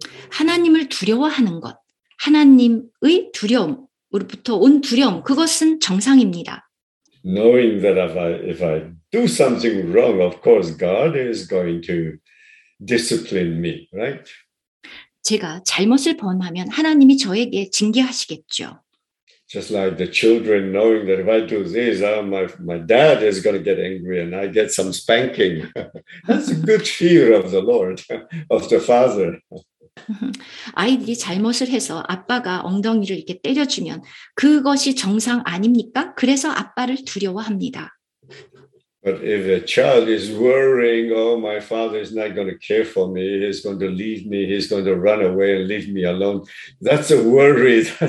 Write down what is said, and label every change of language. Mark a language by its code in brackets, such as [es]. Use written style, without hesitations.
[ko] 하나님을 두려워하는 것, 하나님의 두려움으로부터 온 두려움, 그것은 정상입니다. [en] Knowing that if I do something wrong, of course God is going to discipline me, right? [ko] 제가 잘못을 범하면 하나님이 저에게 징계하시겠죠. [en] Just like the children knowing that if I do this, my dad is going to get angry and I get some spanking. That's a good fear of the Lord, of the father. [ko] 아이들이 잘못을 해서 아빠가 엉덩이를 이렇게 때려주면 그것이 정상 아닙니까? 그래서 아빠를 두려워합니다. [en] But if a child is worrying, oh, my father is not going to care for me, he's going to leave me, he's going to run away and leave me alone, that's a worry.